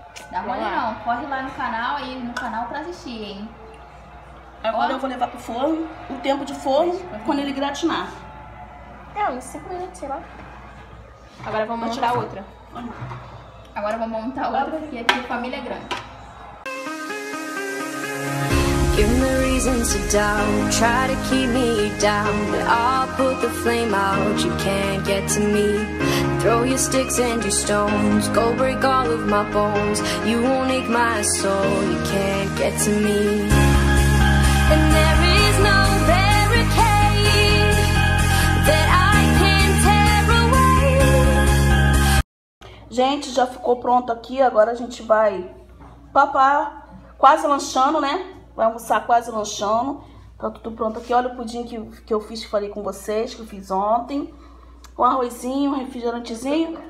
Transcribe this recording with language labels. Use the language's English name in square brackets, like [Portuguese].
[Portuguese] Dá mole não, corre lá no canal aí, no canal pra assistir, hein. Agora eu vou levar pro forno, o tempo de forno, quando ele gratinar. É, uns 5 minutos, sei lá. Agora vamos montar outra. Agora vamos montar outra, porque aqui a família é grande. [English] So don't try to keep me down. I'll put the flame out. You can't get to me. Throw your sticks and your stones. Go break all of my bones. You won't ache my soul. You can't get to me. And there is no barricade that I can tear away. [Portuguese] Gente, já ficou pronto aqui. Agora a gente vai papar. Quase lanchando, né? Vai almoçar quase lanchando. Tá tudo pronto aqui. Olha o pudim que eu fiz, que falei com vocês, que eu fiz ontem. O arrozinho, o refrigerantezinho.